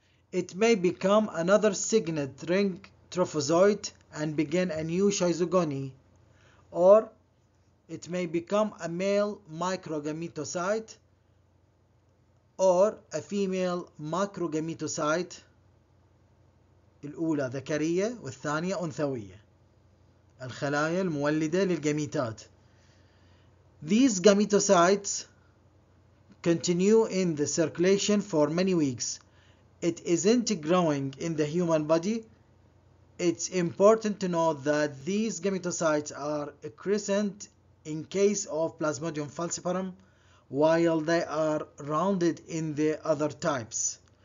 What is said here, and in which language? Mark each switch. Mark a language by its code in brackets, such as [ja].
[en] It may become another signet ring trophozoite and begin a new schizogony, or it may become a male microgametocyte or a female macrogametocyte. [ar] الأولى ذكرية والثانية أنثوية، الخلايا المولدة للجاميتات. [en] These gametocytes continue in the circulation for many weeks. It isn't growing in the human body. It's important to note that these gametocytes are crescent in case of Plasmodium falciparum, while they are rounded in the other types.